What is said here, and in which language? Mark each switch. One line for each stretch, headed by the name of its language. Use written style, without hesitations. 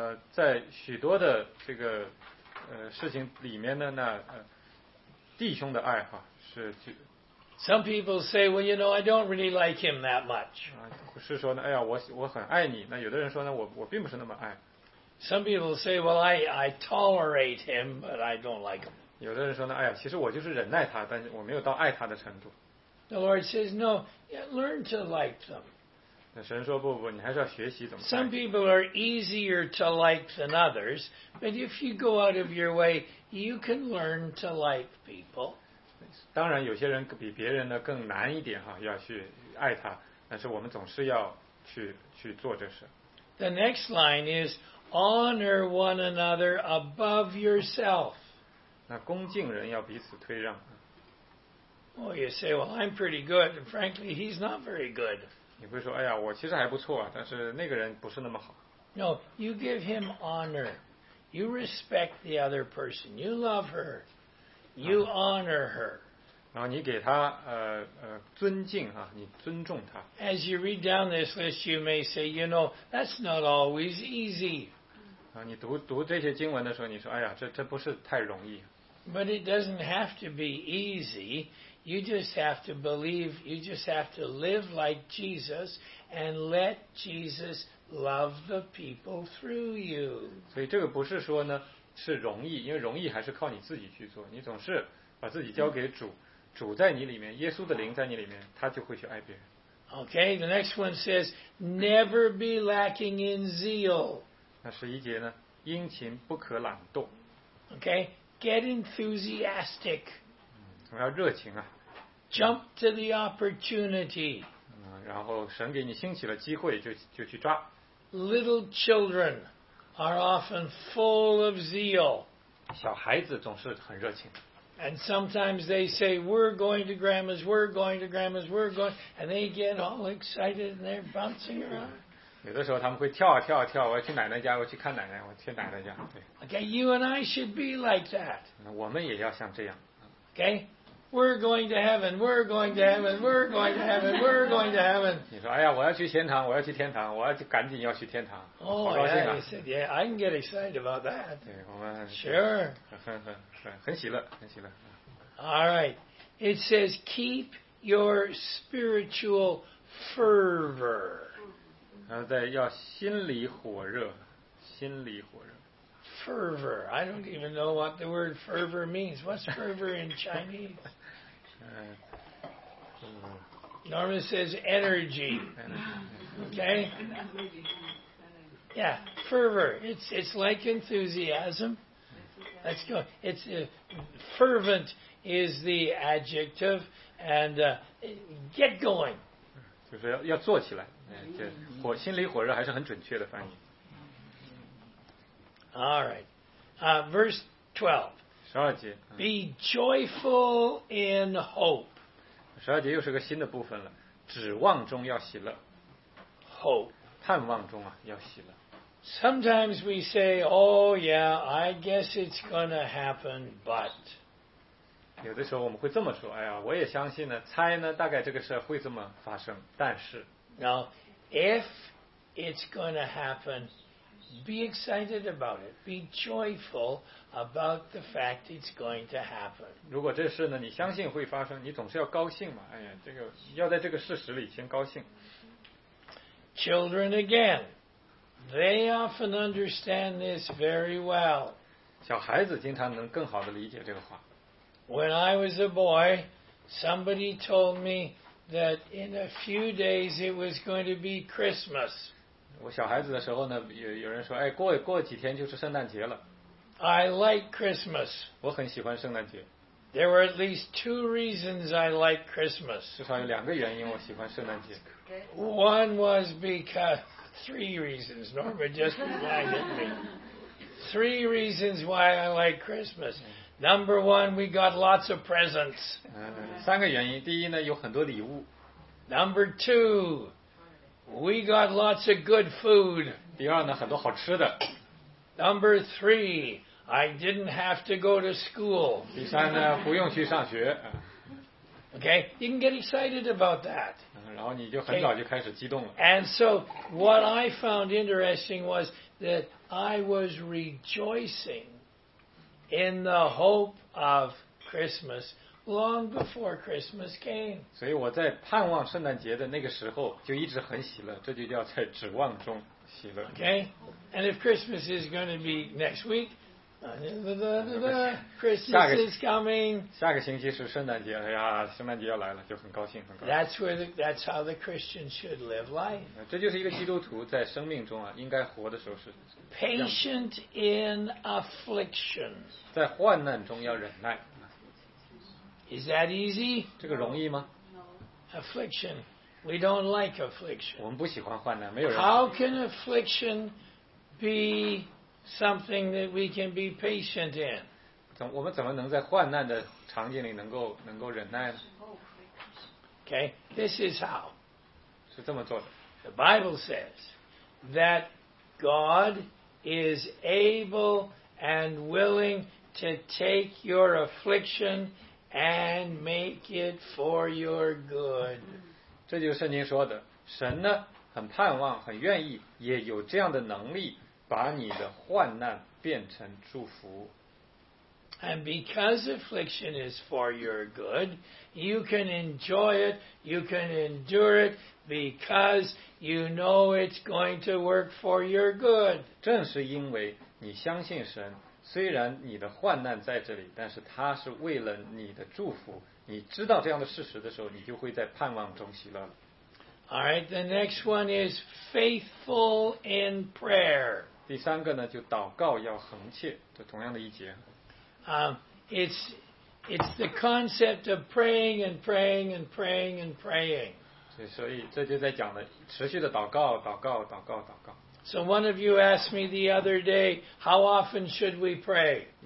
Chinese: 在许多的这个事情里面的那弟兄的爱哈是就。
English: Some people say, well, you know, I don't really like him that much.
Chinese: 是说呢，哎呀，我很爱你。那有的人说呢，我并不是那么爱。
English: Some people say, well, I tolerate him, but I don't like him.
Chinese: 有的人说呢，哎呀，其实我就是忍耐他，但是我没有到爱他的程度。
English: The Lord says, no, learn to like them.
Chinese: 那神说不，你还是要学习怎么爱。
English: Some people are easier to like than others, but if you go out of your way, you can learn to like people.
Chinese: 当然有些人比别人呢更难一点哈，要去爱他，但是我们总是要去做这事。
English: The next line is, honor one another above yourself.
Chinese: 那恭敬人要彼此推让。
English: Oh, you say, well, I'm pretty good. And frankly, he's not very good.
Chinese: 你会说，哎呀，我其实还不错啊，但是那个人不是那么好。
English: No, you give him honor. You respect the other person. You love her. You honor her.
Chinese: 然后你给他尊敬啊，你尊重他。
English: As you read down this list, you may say, you know, that's not always easy.
Chinese: 然后你读这些经文的时候，你说，哎呀，这不是太容易。
English: But it doesn't have to be easy. You just have to believe. You just have to live like Jesus and let Jesus love the people through you.
Chinese: 所以这个不是说呢是容易，因为容易还是靠你自己去做。你总是把自己交给主，主在你里面，耶稣的灵在你里面，他就会去爱别人。
English: Okay, the next one says, never be lacking in zeal.
Chinese: 那十一节呢，殷勤不可懒动。
English: Okay. Get enthusiastic.
Chinese: 怎么要热情啊？
English: Jump to the opportunity.
Chinese: 然后神给你兴起了机会就去抓。
English: Little children are often full of zeal.
Chinese: 小孩子总是很热情。
English: And sometimes they say, we're going to grandma's, we're going to grandma's, we're going, and they get all excited and they're bouncing around.
Chinese: 有的时候他们会跳啊跳啊跳，我要去奶奶家，我去看奶奶，我去奶奶家。对。
English: Okay, you and I should be like that.
Chinese: 我们也要像这样。
English: Okay, we're going to heaven, we're going to heaven, we're going to heaven, we're going to heaven.
Chinese: 你说，哎呀，我要去天堂，我要去天堂，我要去赶紧要去天堂。 Oh, 好高兴啊
English: yeah, he said, yeah, I can get excited about that.
Chinese: 对，我们。
English: Sure.
Chinese: 很喜乐，很喜乐。
English: All right, it says keep your spiritual fervor.
Chinese: 然后再要心里火热，心里火热。
English: Fervor, I don't even know what the word fervor means. What's fervor in Chinese? Norma says energy. Okay. Yeah, fervor. It's like enthusiasm. Let's go. It's fervent is the adjective, and get going.
Chinese: 就是要做起来。心里火热还是很准确的翻译。
English: All right. Verse 12.
Chinese: 十二节。
English: Be joyful in hope.
Chinese: 十二节又是个新的部分了。指望中要喜乐。
English: Hope.
Chinese: 盼望中啊要喜乐。
English: Sometimes we say, oh yeah, I guess it's going to happen, but.
Chinese: 有的时候我们会这么说，哎呀，我也相信呢，猜呢，大概这个事会这么发生，但是。
English: Now, if it's going to happen, be excited about it. Be joyful about the fact it's going to happen.
Chinese: 如果这事呢，你相信会发生，你总是要高兴嘛。哎呀，这个要在这个事实里先高兴。
English: Children again, they often understand this very well.
Chinese: 小孩子经常能更好地理解这个话。
English: When I was a boy, somebody told me. That in a few days it was going to be Christmas.
Chinese: 我小孩子的时候呢，有人说，哎，过几天就是圣诞节了。
English: I like Christmas.
Chinese: 我很喜欢圣诞节。
English: There were at least two reasons I like Christmas.
Chinese: 至少有两个原因我喜欢圣诞节。
English: One was because, three reasons, Norma just reminded me. Three reasons why I like Christmas. Number one, we got lots of presents.
Chinese: 三个原因，第一呢，有很多礼物。
English: Number two, we got lots of good food.
Chinese: 第二呢，很多好吃的。
English: Number three, I didn't have to go to school.
Chinese: 第三呢，不用去上学。
English: Okay, you can get excited about that.
Chinese: 然后你就很早就开始激动了。
English: Okay. And so, what I found interesting was that I was rejoicing in the hope of Christmas long before Christmas came.
Chinese: 所以我在盼望圣诞节的那个时候就一直很喜乐，这就叫在指望中喜乐。
English: Okay, and if Christmas is going to be next week,Christmas is coming.
Chinese: 下个星期是圣诞节，哎呀，圣诞节要来了，就很高兴，很高兴。
English: That's how the Christian should live life.
Chinese: 这就是一个基督徒在生命中啊，应该活的时候是。
English: Patient in affliction.
Chinese: 在患难中要忍耐。
English: Is that easy?
Chinese: 这个容易吗
English: ？Affliction. We don't like affliction.
Chinese: 我们不喜欢患难，没有人。
English: How can affliction be? Something that we can be patient in.
Chinese: 我们怎么能在患难的场景里能够忍耐呢
English: ？Okay, this is how.
Chinese: 是这么做的。
English: The Bible says that God is able and willing to take your affliction and make it for your good.
Chinese: 这就是圣经说的，神呢很盼望，很愿意，也有这样的能力。把你的患难变成祝福。
English: And because affliction is for your good, you can enjoy it, you can endure it, because you know it's going to work for your good.
Chinese: 正是因为你相信神，虽然你的患难在这里，但是它是为了你的祝福。你知道这样的事实的时候，你就会在盼望中喜乐了。
English: All right, the next one is faithful in prayer.
Chinese: 第三个呢，就祷告要恒切，这同样的一节。
English: It's the concept of praying and praying and praying and praying.
Chinese: 所以这就在讲了持续的祷告，祷告，祷告，祷告。
English: So one of you asked me the other day, how often should we pray?